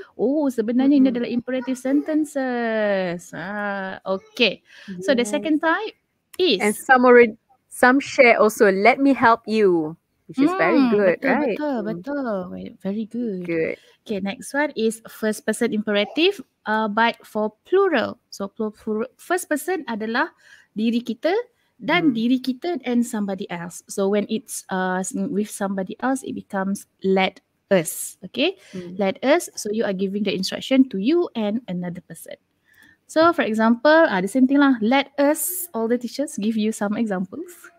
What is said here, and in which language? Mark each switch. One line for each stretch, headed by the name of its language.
Malay: Oh, sebenarnya ini adalah
English: imperative sentences. Okay. So, the second type is... And some share also, let me help you. Which is very good,
Malay: betul,
English: right?
Malay: Betul.
English: Very good. Good. Okay, next one is first person imperative, but for plural. So, plural, first person
Malay: adalah diri kita dan diri kita
English: and somebody else. So, when it's with somebody else, it becomes let us, okay? Let us, so you are giving the instruction to you and another person. So, for example, the same thing lah. Let us, all the teachers, give you some examples.